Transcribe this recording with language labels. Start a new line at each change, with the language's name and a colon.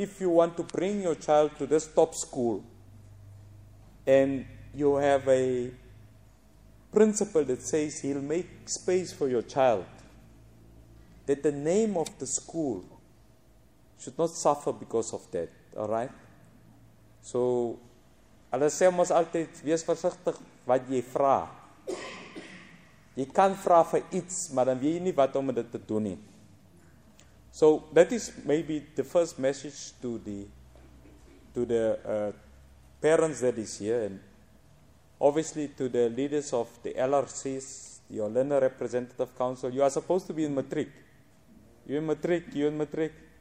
English: If you want to bring your child to this top school, and you have a principal that says he'll make space for your child, that the name of the school should not suffer because of that, all right?
Afrikaans: So, hulle sê ons altyd, wees versigtig wat jy vra. Jy kan vra vir iets, maar dan weet jy nie wat om dit te doen nie.
English: So, that is maybe the first message to the parents that is here, and obviously to the leaders of the LRCs, your Learner Representative Council. You are supposed to be in matric. You're in matric.